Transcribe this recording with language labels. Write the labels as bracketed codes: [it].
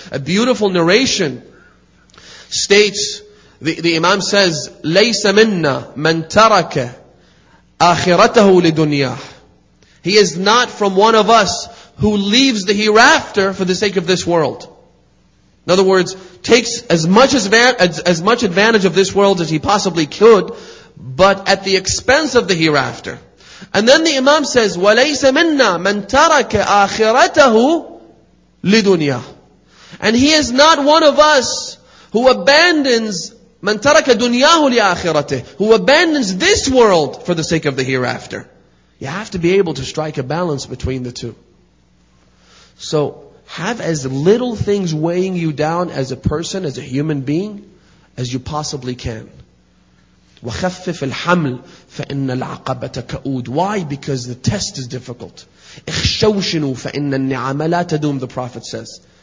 [en] A beautiful narration states, the Imam says, [ar] لَيْسَ مِنَّا مَنْ تَرَكَ آخِرَتَهُ لِدُنْيَاهُ. [en] He is not from one of us who leaves the hereafter for the sake of this world. In other words, takes as much advantage of this world as he possibly could, but at the expense of the hereafter. And then the Imam says, [ar] وَلَيْسَ مِنَّا مَنْ تَرَكَ آخِرَتَهُ لِدُنْيَاهُ. [en] And he is not one of us who abandons, [ar] مَنْ تَرَكَ دُنْيَاهُ لِآخِرَتِهِ, [en] who abandons this world for the sake of the hereafter. You have to be able to strike a balance between the two. So, have as little things weighing you down as a person, as a human being, as you possibly can. [ar] وَخَفِّفِ الْحَمْلِ فَإِنَّ الْعَقَبَةَ كَأُودٍ. [en] Why? Because the test is difficult. [ar] اِخْشَوْشِنُوا فَإِنَّ النِّعَمَ لَا تَدُومُ, [en] the Prophet says.